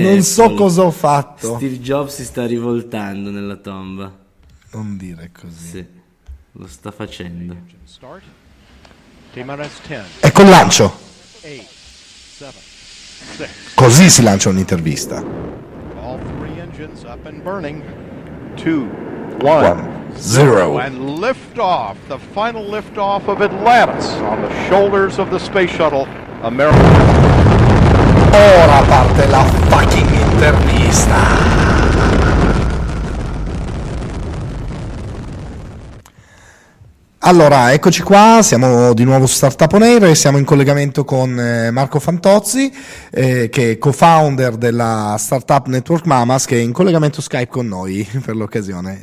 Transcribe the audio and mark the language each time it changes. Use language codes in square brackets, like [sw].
[it] Non so cosa ho fatto. Steve Jobs si sta rivoltando nella tomba. Non dire così. Sì. Lo sta facendo. Ecco il lancio. Così si lancia un'intervista. [en] All three engines up and burning. 2-1-0. And lift off, the final lift off of Atlantis on the shoulders of the space shuttle America. [it] Ora parte la fucking intervista. Allora, eccoci qua, siamo di nuovo su Startup On Air e siamo in collegamento con Marco Fantozzi, che è co-founder della Startup Network Mamas, che è in collegamento Skype con noi per l'occasione.